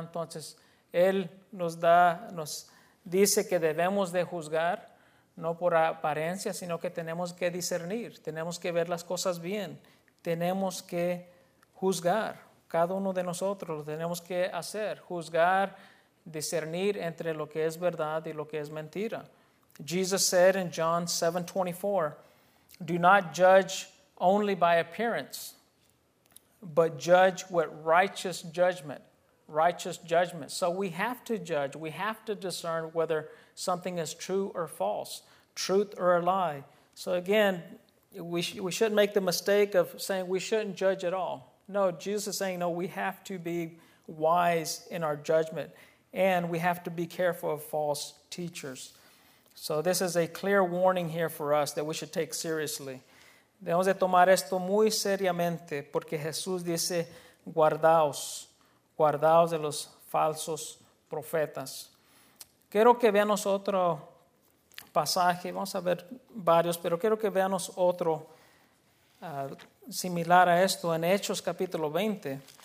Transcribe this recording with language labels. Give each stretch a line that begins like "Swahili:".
Spanish: Entonces, él nos dice que debemos de juzgar, no por apariencia, sino que tenemos que discernir, tenemos que ver las cosas bien, tenemos que juzgar, cada uno de nosotros lo tenemos que hacer, juzgar, discernir entre lo que es verdad y lo que es mentira.
English: Jesus said in John 7:24, do not judge only by appearance, but judge with righteous judgment. Righteous judgment. So we have to judge. We have to discern whether something is true or false, truth or a lie. So again, we shouldn't make the mistake of saying we shouldn't judge at all. No, Jesus is saying, no, we have to be wise in our judgment, and we have to be careful of false teachers. So this is a clear warning here for us that we should take seriously.
Spanish: Debemos de tomar esto muy seriamente porque Jesús dice, guardaos. Guardaos de los falsos profetas. Quiero que veamos otro pasaje. Vamos a ver varios, pero quiero que veamos otro similar a esto en Hechos capítulo 20.